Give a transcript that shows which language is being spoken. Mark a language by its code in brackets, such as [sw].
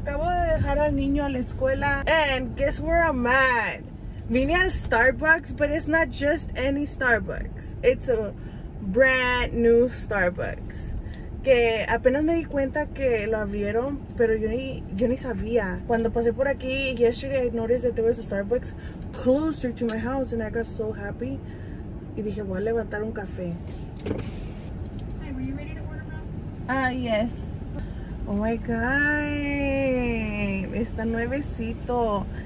[es] Acabo de dejar al niño a la escuela. [en] And guess where I'm at? [es] Vine al [en] Starbucks, but it's not just any Starbucks. It's a brand new Starbucks. [es] Que apenas me di cuenta que lo abrieron, pero yo ni sabía. Cuando pasé por aquí [en] yesterday, I noticed that there was a Starbucks closer to my house, and I got so happy. [es] Y dije, voy a levantar un café. [en] Yes. Oh my god. [es] Está nuevecito.